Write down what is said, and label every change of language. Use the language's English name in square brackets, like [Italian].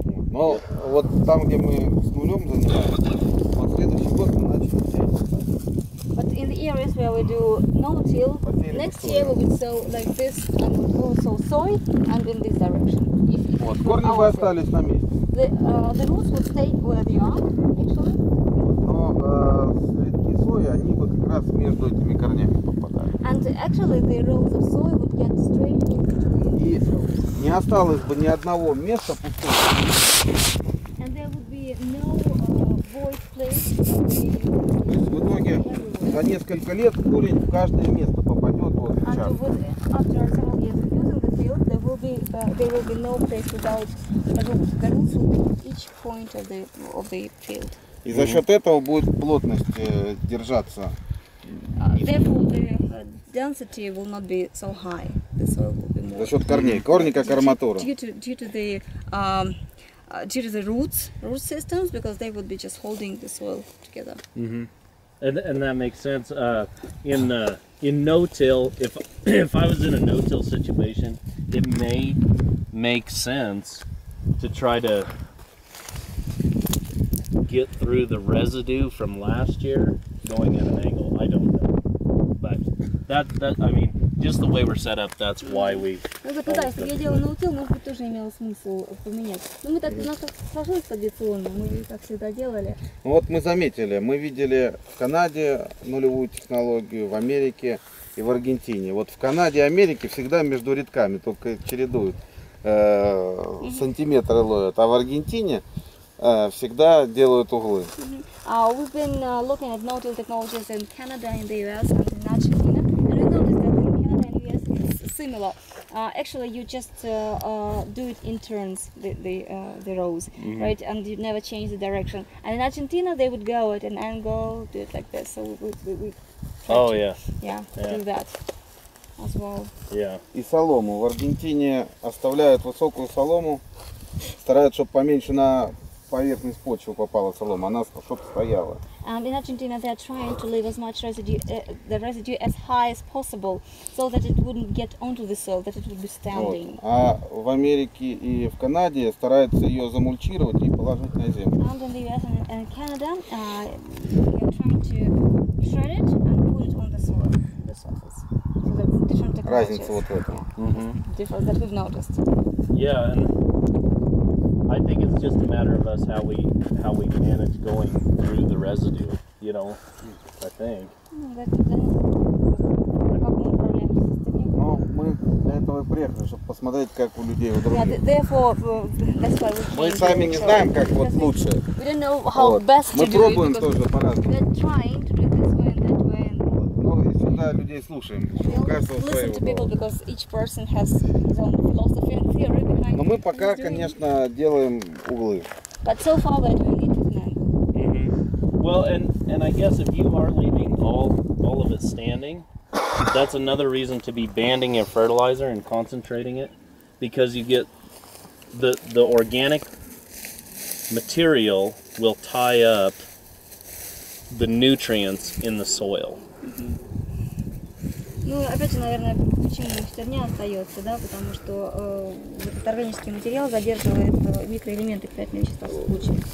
[Russian] Но вот там, где мы с нулем занимаемся, вот следующий год мы начнем сеять. [English] But in the areas where we do no-till, next year we will sow like this and also soy and in this direction. [Russian] Вот корни бы остались на месте. [English] The roots will stay where they are, actually. [Russian] Но цветки сои, они вот как раз между этими корнями попадают. [English] And actually the roots of soy would get straight into the soil. [Russian] И не осталось бы ни одного места пустого. [English] And there would be no void place. [Russian] То есть в итоге за несколько лет корень в каждое место попадет вот в участок. [English] After several years of using the field, there will be no place without the roots of each point of the field. [Russian] И за счет этого будет плотность держаться. [English] Therefore, the density will not be so high. The soil will be more. [Russian] За счет корней. Корни как арматура. [English] Due to the root systems, because they would be just holding the soil together. And that makes sense. In no-till, if I was in a no-till situation, it may make sense to try to get through the residue from last year going at an angle. I don't know, but that I mean, just the way we're set up, that's why we. [Russian] Ну так да, если я делала no-till, может быть тоже имело смысл поменять. Ну мы так у нас сложилось традиционно, мы так всегда делали. Ну вот мы заметили, мы видели в Канаде нулевую технологию, в Америке и в Аргентине. Вот в Канаде и Америке всегда между рядками только чередуют сантиметры ловят, а в Аргентине всегда делают углы. [English] We've been looking at no-till technologies in Canada, in the US, and in Argentina, and we noticed that in Canada and US it's similar. Actually, you just do it in turns, the rows, right? And you never change the direction. And in Argentina, they would go at an angle, do it like this. So we oh yeah. Yeah, yeah. Do that. as well. Yeah. [Russian] И солому. В Аргентине оставляют высокую солому, стараются, чтобы поменьше на поверхность почвы попала солома, она чтобы стояла. [English] And in Argentina they are trying to leave as much residue, the residue as high as possible, so that it wouldn't get onto the soil, that it would be standing. [Russian] Вот. А в Америке и в Канаде стараются ее замульчировать и положить на землю. [English] And in the US and Canada, they are trying to shred it and put it on the soil, the surface. So that's different technologies. [Russian] Разница вот в этом. [English] Mm-hmm. Different that we've noticed. Yeah. And I think it's just a matter of us how we manage going through the residue, you know. I think. [Russian] Ну, мы для этого и приехали, чтобы посмотреть, как у людей, у других. [English] Yeah, therefore, that's why [Russian] мы сами не знаем, как вот лучше. [English] We don't know how вот. Best [Russian] мы [English] to [Russian] пробуем [English] do it, [Russian] тоже по-разному. [English] We're trying to do this way and that way. [Russian] Ну, и сюда людей слушаем. [English] We listen to people because each person has his own philosophy and theory. [Russian] Но мы пока, конечно, делаем углы. [English] But so far we're doing it tonight. Mm-hmm. Well, and I guess if you are leaving all of it standing, that's another reason to be banding your fertilizer and concentrating it, because you get the organic material will tie up the nutrients in the soil. [Russian] Ну, опять же, наверное, почему штырня остается, да, потому что этот органический материал задерживает микроэлементы, питательные вещества в куче.